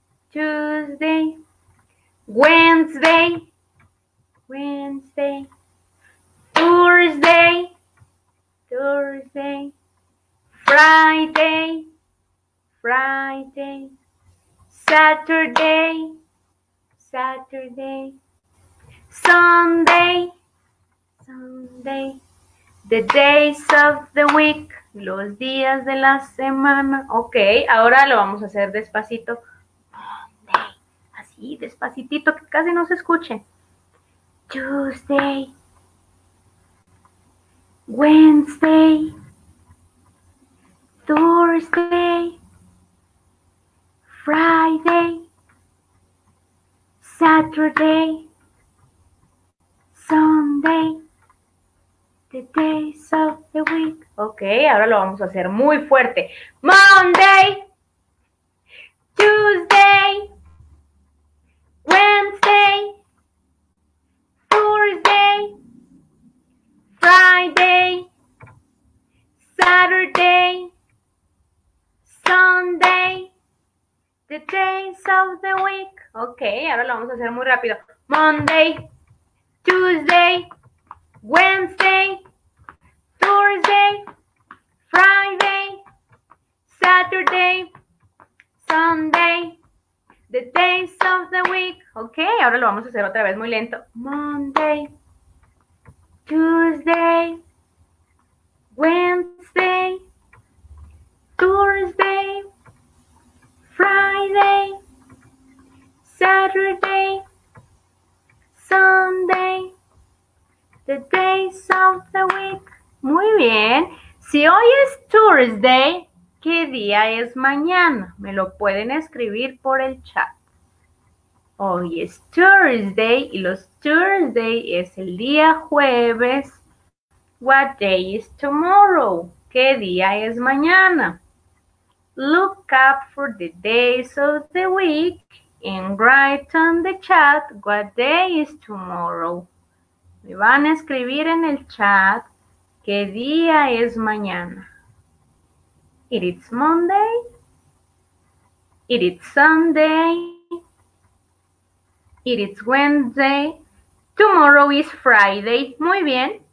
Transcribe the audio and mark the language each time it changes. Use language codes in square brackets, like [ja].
[en] Tuesday, Wednesday, Wednesday, Thursday, Thursday, Friday, Friday, Saturday, Saturday, Sunday, Sunday, the days of the week, los días de la semana. [es] Ok, ahora lo vamos a hacer despacito. Monday, así, despacitito, que casi no se escuche. [en] Tuesday, Wednesday, Thursday, Friday, Saturday, Sunday, the days of the week. [es] Ok, ahora lo vamos a hacer muy fuerte. [en] Monday, Tuesday, Wednesday, Thursday, Friday, Saturday, Sunday, the days of the week. [es] Ok, ahora lo vamos a hacer muy rápido. [en] Monday, Tuesday, Wednesday, Thursday, Friday, Saturday, Sunday, the days of the week. [es] Ok, ahora lo vamos a hacer otra vez muy lento. [en] Monday, Tuesday, Wednesday, Thursday, Friday, Saturday, Sunday, the days of the week. [es] Muy bien. Si hoy es Thursday, ¿qué día es mañana? Me lo pueden escribir por el chat. Hoy es Thursday y los Thursday es el día jueves. [en] What day is tomorrow? [es] ¿Qué día es mañana? [en] Look up for the days of the week and write on the chat what day is tomorrow. [es] Me van a escribir en el chat qué día es mañana. [en] It is Monday. It is Sunday. It is Wednesday. Tomorrow is Friday. [es] Muy bien.